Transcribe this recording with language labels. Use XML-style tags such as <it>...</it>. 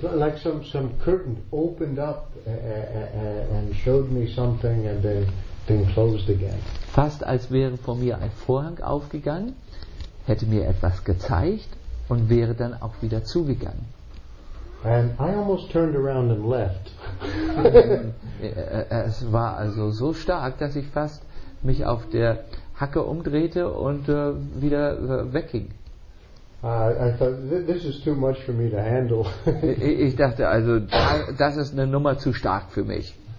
<en>Like some curtain opened up and showed me something and then closed again.</en> <de>Fast als wäre vor mir ein Vorhang aufgegangen, hätte mir etwas gezeigt und wäre dann auch wieder zugegangen.</de> <en>And I almost turned around and left.</en> <de>Es war also so stark, dass ich fast mich auf der Hacke umdrehte und wieder wegging.</de> <en>I thought, this is too much for me to handle.</en> <de>Ich dachte also, das ist eine Nummer zu stark für mich.</de>